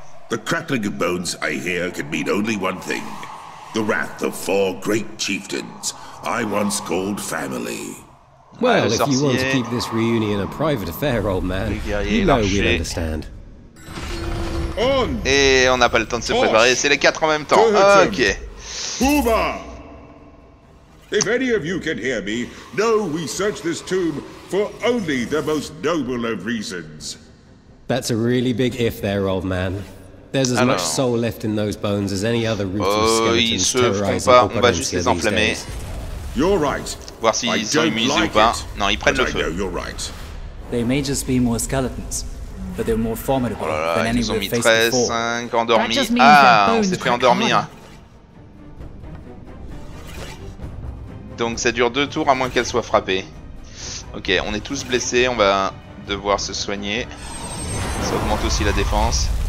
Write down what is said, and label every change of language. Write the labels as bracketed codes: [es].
[en] The crackling of bones I hear can mean only one thing. The wrath of four great chieftains I once called family. Well, if you want to keep this reunion a private affair, old man, you know we'll understand. On. [fr] Et on n'a pas le temps de se préparer, c'est les quatre en même temps. Ok. Booba! [en] If any of you can hear me, know we search this tomb for only the most noble of reasons. That's a really big if there, old man. There's as much soul left in those bones as any other ruthless skeleton terrorizing the Opulentia these days. You're right. [fr] Voir si ils sont immunes ou pas. Non, ils prennent le feu. [en] I know you're right. They may just be more skeletons, but they're more formidable than any we've faced before. [fr] Ils ont mis 5 endormis. Ah, on s'est fait endormir. Donc ça dure 2 tours à moins qu'elle soit frappée. Ok, on est tous blessés, on va devoir se soigner. Ça augmente aussi la défense.